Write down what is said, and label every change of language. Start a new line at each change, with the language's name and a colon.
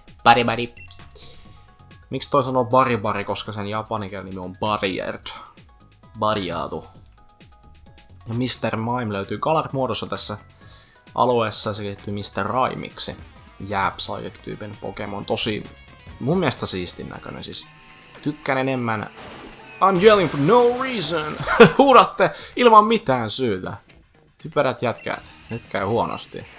Finnish: Bari-bari. Miksi toi sanoo bari-bari, koska sen japanikin nimi on Barriered. Barjaatu. Ja Mr. Mime löytyy Galar-muodossa tässä alueessa, se liittyy Mr. Raimiksi. Jääpsaajat-tyypin Pokemon, tosi mun mielestä siistin näköinen, siis tykkään enemmän.
English: I'm yelling for no reason!
Finnish: Huudatte ilman mitään syytä. Typerät jätkät, nyt käy huonosti.